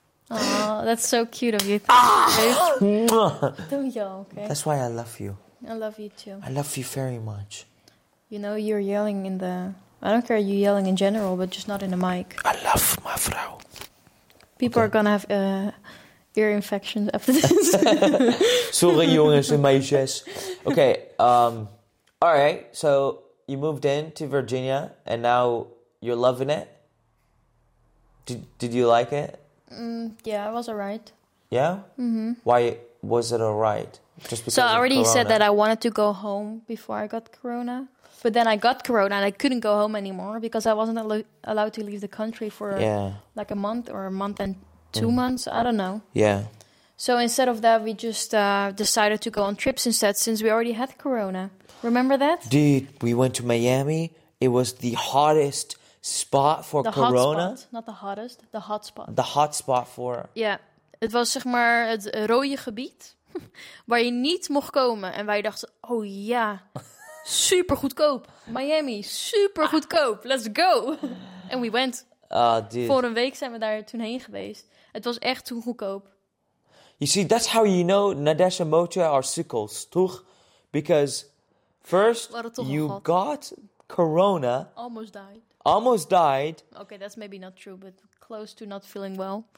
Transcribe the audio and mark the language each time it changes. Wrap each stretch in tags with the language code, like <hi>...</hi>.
<en>Aw, that's so cute of you. Thank you. Okay. That's why I love you. I love you too. I love you very much. You know, you're yelling in the... I don't care, you're yelling in general, but just not in the mic. I love my vrouw. People are gonna have ear infections after this.</en> <nl>Sorry, jongens en meisjes.</nl> <en>Okay, alright, so... You moved in to Virginia, and now you're loving it? Did you like it? Yeah, it was all right. Yeah? Mm-hmm. Why was it all right? Just because of Corona? So I already said that I wanted to go home before I got Corona. But then I got Corona, and I couldn't go home anymore because I wasn't allowed to leave the country for like a month or a month and two months. I don't know. Yeah. So instead of that, we just decided to go on trips instead since we already had Corona. Remember that? Dude, we went to Miami. It was the hottest spot for Corona. The hot spot. The hot spot for... Yeah.</en> <nl>Het was zeg maar het rode gebied waar je niet mocht komen. En wij dachten, oh ja, super goedkoop. Miami, super goedkoop.</nl> <en>Let's go. And we went. Dude.</en> <nl>Voor een week zijn we daar toen heen geweest. Het was echt toen goedkoop.</nl> <en>You see, that's how you know Nadesh and Mocha are sickles, toch? Because first, you got Corona. Almost died. Okay, that's maybe not true, but close to not feeling well.</en>